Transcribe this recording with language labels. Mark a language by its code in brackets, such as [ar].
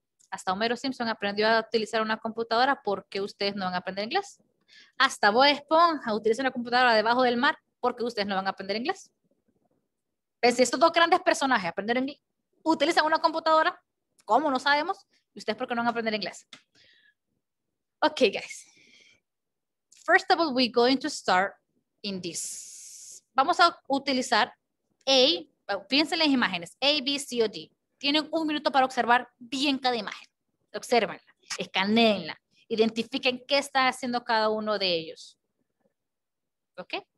[es] Hasta Homero Simpson aprendió a utilizar una computadora. ¿Por qué ustedes no van a aprender inglés? Hasta Bob Esponja utiliza una computadora debajo del mar. ¿Por qué ustedes no van a aprender inglés? Pensé, estos dos grandes personajes aprendieron inglés. ¿Utilizan una computadora? ¿Cómo? No sabemos. ¿Y ustedes por qué no van a aprender inglés? [en] Ok, guys. First of all, we're going to start in this. [es] Vamos a utilizar A. Fíjense en las imágenes. A, B, C, O, D. Tienen un minuto para observar bien cada imagen. Obsérvenla. Escaneenla. Identifiquen qué está haciendo cada uno de ellos. Ok.